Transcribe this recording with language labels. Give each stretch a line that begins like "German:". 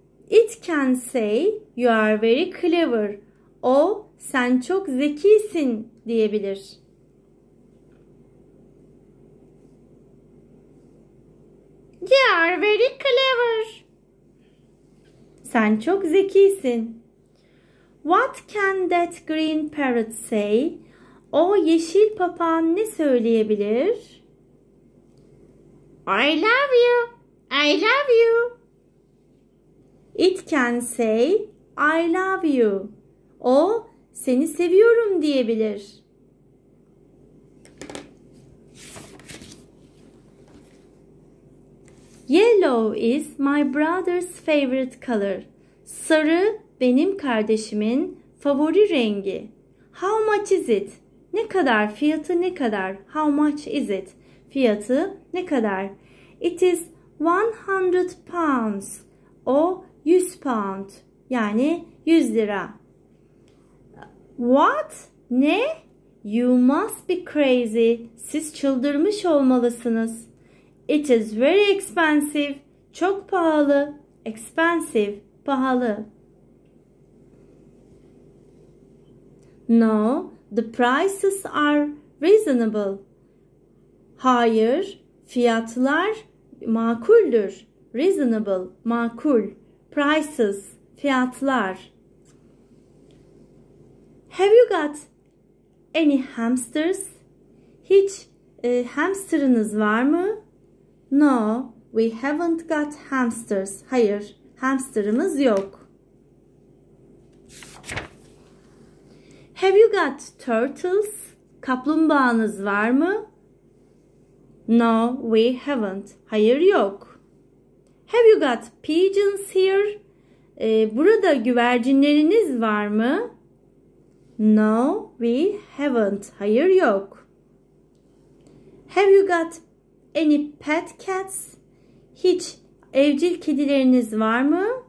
English: It can say you are very clever.
Turkish: O sen çok zekisin diyebilir.
English: You are very clever.
Turkish: Sen çok zekisin.
English: What can that green parrot say?
Turkish: O yeşil papağan ne söyleyebilir?
English: I love you. I love you. It can say I love you.
Turkish: O seni seviyorum diyebilir.
English: Yellow is my brother's favorite color.
Turkish: Sarı benim kardeşimin favori rengi.
English: How much is it?
Turkish: Ne kadar? Fiyatı ne kadar?
English: How much is it?
Turkish: Fiyatı ne kadar?
English: It is 100 pounds.
Turkish: O 100 pound. Yani 100 lira.
English: What?
Turkish: Ne?
English: You must be crazy.
Turkish: Siz çıldırmış olmalısınız.
English: It is very expensive.
Turkish: Çok pahalı.
English: Expensive.
Turkish: Pahalı.
English: No, the prices are reasonable.
Turkish: Hayır, fiyatlar makuldür.
English: Reasonable,
Turkish: makul.
English: Prices,
Turkish: fiyatlar.
English: Have you got any hamsters?
Turkish: Hiç hamsterınız var mı?
English: No, we haven't got hamsters.
Turkish: Hayır, hamsterımız yok.
English: Have you got turtles?
Turkish: Kaplumbağanız var mı?
English: No, we haven't.
Turkish: Hayır, yok.
English: Have you got pigeons here?
Turkish: Burada güvercinleriniz var mı?
English: No, we haven't.
Turkish: Hayır, yok.
English: Have you got any pet cats?
Turkish: Hiç evcil kedileriniz var mı?